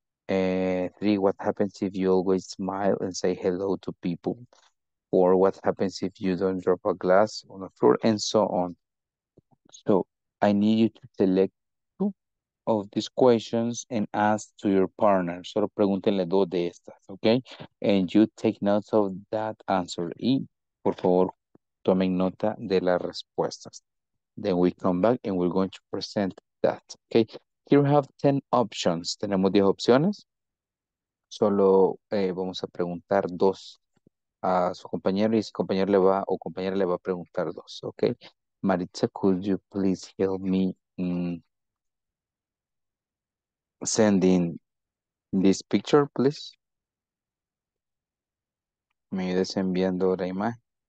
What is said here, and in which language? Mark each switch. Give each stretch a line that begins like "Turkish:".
English: Three, what happens if you always smile and say hello to people? Four, what happens if you don't drop a glass on the floor? And so on. So I need you to select two of these questions and ask to your partner.
Spanish: Solo pregúntenle dos de estas,
English: okay? And you take notes of that answer.
Spanish: Y, por favor, tomen nota de las respuestas.
English: Then we come back and we're going to present that, okay? Here we have 10 options.
Spanish: Tenemos 10 opciones. Solo vamos a preguntar dos a su compañero y ese compañero le va, o compañera le va a preguntar dos, okay?
English: Maritza, could you please help me send in this picture, please?
Spanish: Me ayudes enviando la imagen.